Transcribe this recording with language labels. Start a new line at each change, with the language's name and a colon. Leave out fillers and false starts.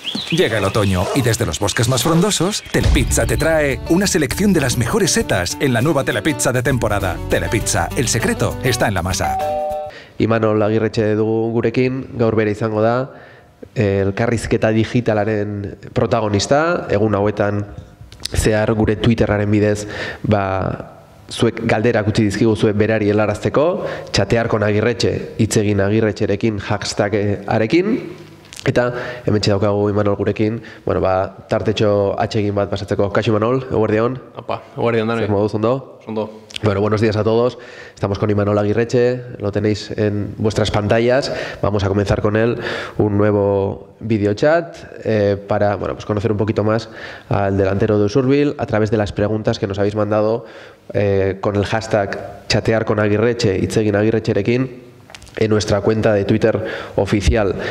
Spanish: Llega el otoño y desde los bosques más frondosos, Telepizza te trae una selección de las mejores setas en la nueva Telepizza de temporada. Telepizza, el secreto está en la masa.
Basque: Imanol Agirretxe dugu gurekin, gaur bere izango da, elkarrizketa digitalaren protagonista, egun hauetan zehar gure Twitterraren bidez, ba, zuek galderak utzi dizkiguzue berari helarazteko, txatearkon Agirretxe, itzegin Agirretxerekin, hashtagarekin, eta hemen txedaukagu Imanol gurekin, bueno, ba, tartetxo atxegin bat pasatzeko. Kaixo Imanol, eguerdi hon. Apa, eguerdi hon, dani. Zer moduz, ondo? Ondo.
Spanish: Bueno, buenos días a todos. Estamos con Imanol Agirretxe, lo tenéis en vuestras pantallas. Vamos a comenzar con él un nuevo videochat para, bueno, pues conocer un poquito más al delantero de Usurbil a través de las preguntas que nos habéis mandado con el hashtag chatear con Agirretxe,
Basque: itzegin Agirretxerekin,
Spanish: en nuestra cuenta de Twitter oficial.